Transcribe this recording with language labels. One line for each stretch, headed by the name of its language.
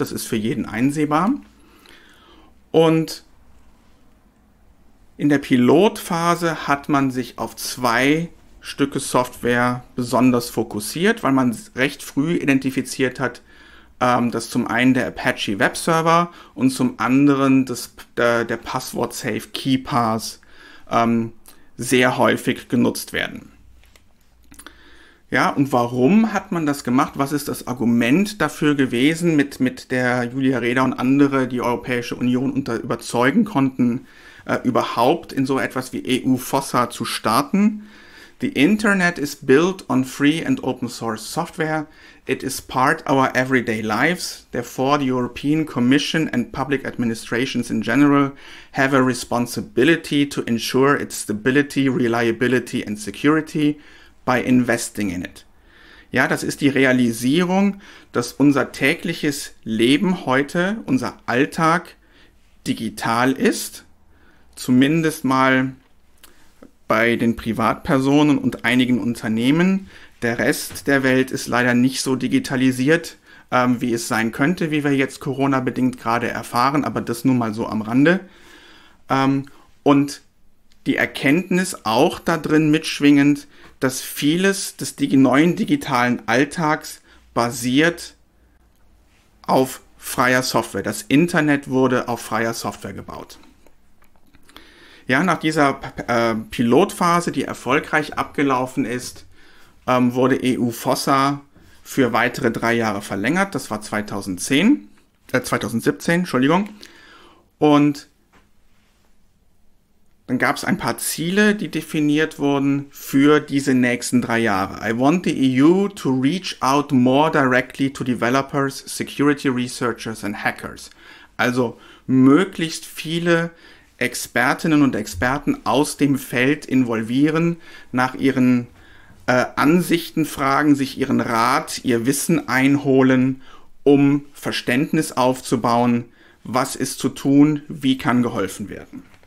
German: Das ist für jeden einsehbar. Und in der Pilotphase hat man sich auf zwei Stücke Software besonders fokussiert, weil man recht früh identifiziert hat, dass zum einen der Apache Web Server und zum anderen der Passwort Safe Key Pass sehr häufig genutzt werden. Ja, und warum hat man das gemacht? Was ist das Argument dafür gewesen, mit der Julia Reda und andere, die Europäische Union überzeugen konnten, überhaupt in so etwas wie EU-FOSSA zu starten?
English: The internet is built on free and open source software. It is part of our everyday lives. Therefore, the European Commission and public administrations in general have a responsibility to ensure its stability, reliability and security by investing in it.
German: Ja, das ist die Realisierung, dass unser tägliches Leben heute, unser Alltag, digital ist. Zumindest mal bei den Privatpersonen und einigen Unternehmen. Der Rest der Welt ist leider nicht so digitalisiert, wie es sein könnte, wie wir jetzt Corona-bedingt gerade erfahren, aber das nur mal so am Rande. Und die Erkenntnis auch da drin mitschwingend, dass vieles des neuen digitalen Alltags basiert auf freier Software. Das Internet wurde auf freier Software gebaut. Ja, nach dieser Pilotphase, die erfolgreich abgelaufen ist, wurde EU-FOSSA für weitere 3 Jahre verlängert. Das war 2017, Entschuldigung. Und dann gab es ein paar Ziele, die definiert wurden für diese nächsten 3 Jahre.
English: I want the EU to reach out more directly to developers, security researchers and hackers.
German: Also möglichst viele Expertinnen und Experten aus dem Feld involvieren, nach ihren Ansichten fragen, sich ihren Rat, ihr Wissen einholen, um Verständnis aufzubauen, was ist zu tun, wie kann geholfen werden.